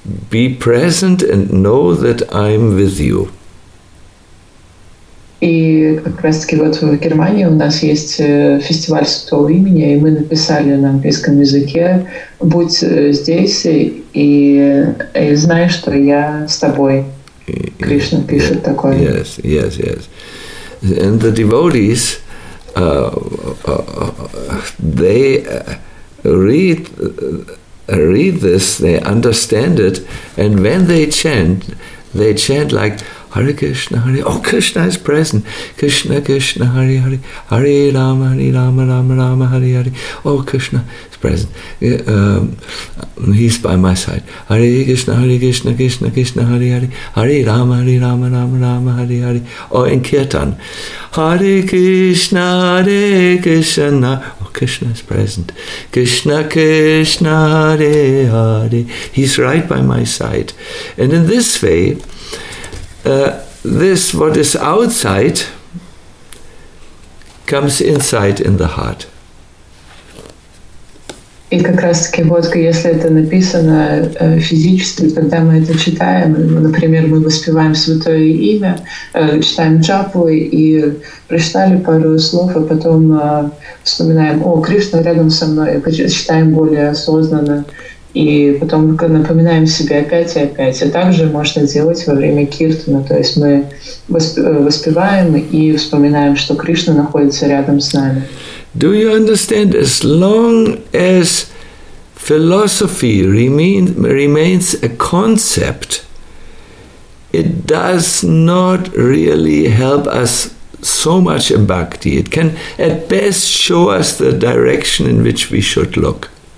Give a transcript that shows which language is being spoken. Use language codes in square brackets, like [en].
[en] Be present and know that I'm with you. [ru] И как раз таки вот в Германии у нас есть фестиваль Святого Имени, и мы написали на английском языке: «Будь здесь и знай, что я с тобой». Кришна пишет такое. [en] Yes, yes, yes. And the devotees, they read this, they understand it, and when they chant like, Hare Krishna, Hare. Oh, Krishna is present. Krishna, Krishna, Hare Hare. Hare Rama, Hare Rama, Rama Rama, Hare Hare. Oh, Krishna is present. He's by my side. Hare Krishna, Hare Krishna, Krishna, Krishna, Hare Hare. Hare Rama, Hare Rama, Rama Rama, Hare Hare. Oh, in Kirtan. Hare Krishna, Hare Krishna. Oh, Krishna is present. Krishna, Krishna, Hare Hare. He's right by my side. And in this way, this what is outside comes inside in the heart. [ru] И как раз таки вот, если это написано физически, когда мы это читаем, например, мы воспеваем Святое Имя, читаем джапу и прочитали пару слов, а потом вспоминаем, о, Кришна рядом со мной, читаем более осознанно. И потом напоминаем себе опять и опять. И также можно делать во время киртана. То есть мы воспеваем и вспоминаем, что Кришна находится рядом с нами. [en] Do you understand? As long as philosophy remains a concept, it does not really help us so much in bhakti. It can at best show us the direction in which we should look.